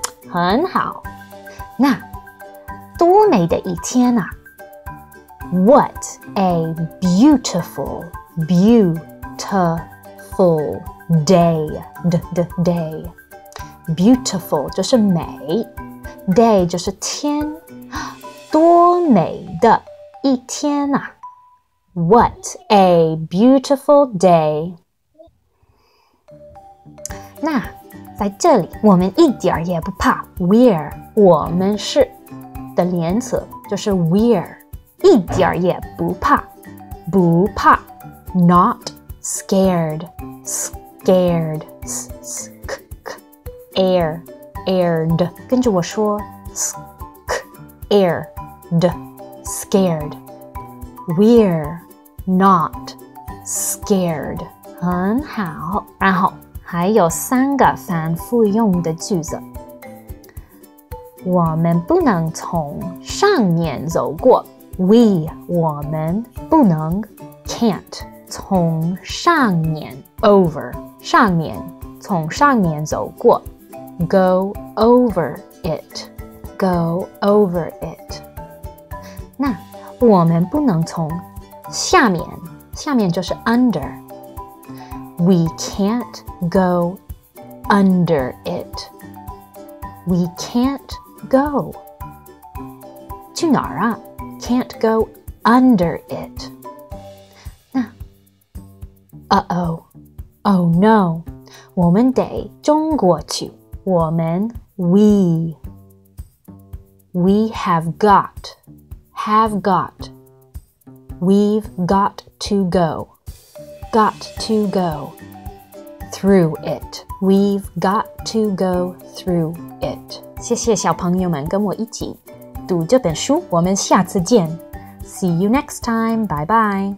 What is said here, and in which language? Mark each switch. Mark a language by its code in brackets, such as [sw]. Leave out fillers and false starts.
[zh] 很好，那多美的一天啊， [en] what a beautiful, beautiful day, day, [zh] beautiful 就是美， day 就是天，多美的一天啊， [en] what a beautiful day。 [zh] 那在这里我们一点也不怕 we're, 我们是的连词，就是 we're, 一点也不怕，不怕 [en] not scared, scared, scared, aired, [zh] 跟着我说 [en] scared, scared, we're not scared。 [zh] 很好，然后还有三个反复用的句子，我们不能从上面走过。 [en] We, [zh] 我们不能 [en] can't [zh] 从上面 [en] over [zh] 上面从上面走过 [en] go over it, go over it。 [zh] 那我们不能从下面，下面就是 under。 [en] We can't go under it, we can't go [zh] 去哪儿啊？ [en] Can't go under it。 那 Uh-oh, oh no, [zh] 我们得中国去，我们 [en] We have got, have got, we've got to go, got to go through it, we've got to go through it。 [zh] 谢谢小朋友们跟我一起读这本书，我们下次见。 [en] See you next time, bye bye.